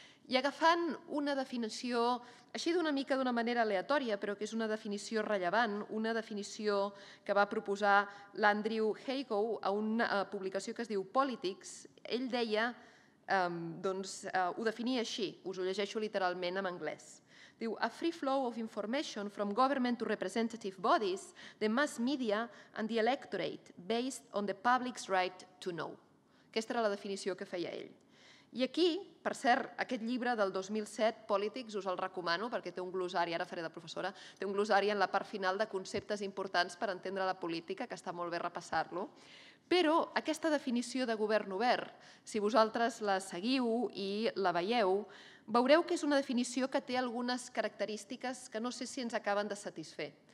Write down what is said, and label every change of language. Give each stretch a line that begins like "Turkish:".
Catalan: I agafant una definició, així d'una mica d'una manera aleatòria, però que és una definició rellevant, una definició que va proposar l'Andrew Hagow a una publicació que es diu Politics, ell deia, ho definia així, us ho llegeixo literalment en anglès.
English: Diu, a free flow of information from government to representative bodies, the mass media and the electorate, based on the public's right to know.
Catalan: Aquesta era la definició que feia ell. I aquí, per cert, aquest llibre del 2007, Politics, us el recomano perquè té un glosari, ara faré de professora, té un glosari en la part final de conceptes importants per entendre la política, que està molt bé repassar-lo. Però aquesta definició de govern obert, si vosaltres la seguiu i la veieu, veureu que és una definició que té algunes característiques que no sé si ens acaben de satisfer.